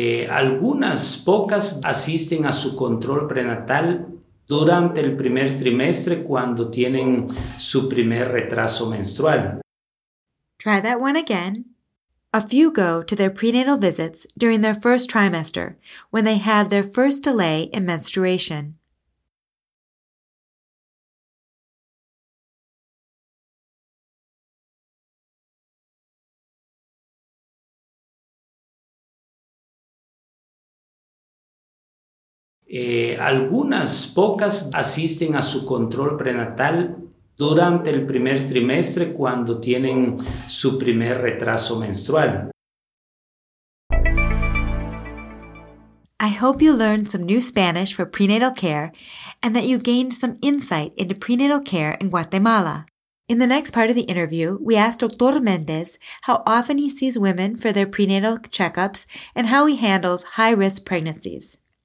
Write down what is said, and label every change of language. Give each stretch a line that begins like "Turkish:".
Spanish: Algunas pocas asisten a su control prenatal durante el primer trimestre cuando tienen su primer retraso menstrual.
English: Try that one again. A few go to their prenatal visits during their first trimester when they have their first delay in menstruation.
Spanish: Algunas pocas asisten a su control prenatal durante el primer trimestre cuando tienen su primer retraso menstrual.
English: I hope you learned some new Spanish for prenatal care and that you gained some insight into prenatal care in Guatemala. In the next part of the interview, we asked Dr. Mendez how often he sees women for their prenatal checkups and how he handles high-risk pregnancies.